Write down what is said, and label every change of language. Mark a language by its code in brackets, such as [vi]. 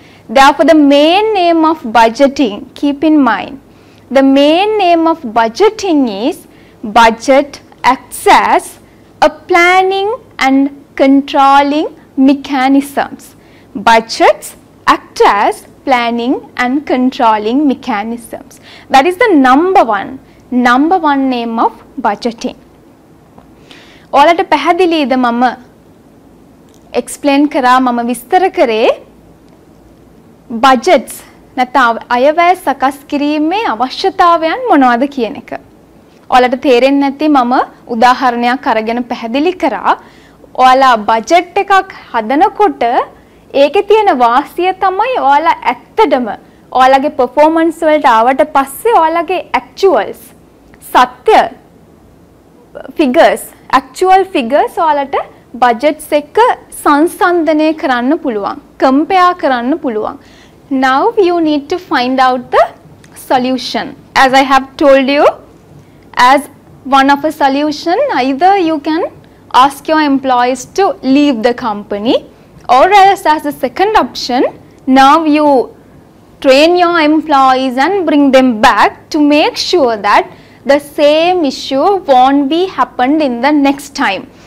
[en] Therefore, the main name of budgeting, keep in mind, the main name of budgeting is budget acts as a planning and controlling mechanisms. Budgets act as planning and controlling mechanisms. That is the number one name of budgeting. [si] ඔයාලට පැහැදිලිද මම explain කරා මම විස්තර කරේ budgets නැත්නම් අයවැය සකස් කිරීමේ අවශ්‍යතාවයන් මොනවද කියන එක. ඔයාලට තේරෙන්නේ නැති මම උදාහරණයක් අරගෙන පැහැදිලි කරා. ඔයාලා budget එකක් හදනකොට ඒකේ තියෙන වාසිය තමයි ඔයාලා ඇත්තටම ඔයාලගේ performance වලට ආවට පස්සේ ඔයාලගේ actuals සත්‍ය figures actual figures ඔයාලට budgets එක සංසන්දනය කරන්න පුළුවන් compare කරන්න පුළුවන් [en] Now you need to find out the solution. As I have told you, as one of a solution, either you can ask your employees to leave the company, or else as a second option, now you train your employees and bring them back to make sure that the same issue won't be happened in the next time.